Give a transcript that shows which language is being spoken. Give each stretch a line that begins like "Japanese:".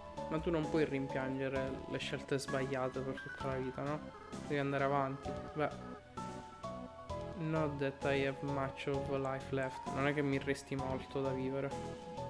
Italian: Ma tu non puoi rimpiangere le scelte sbagliate per tutta la vita, no? Devi andare avanti.
English: Beh, not that I have much of a life left.
Italian: Non è che mi resti molto da vivere.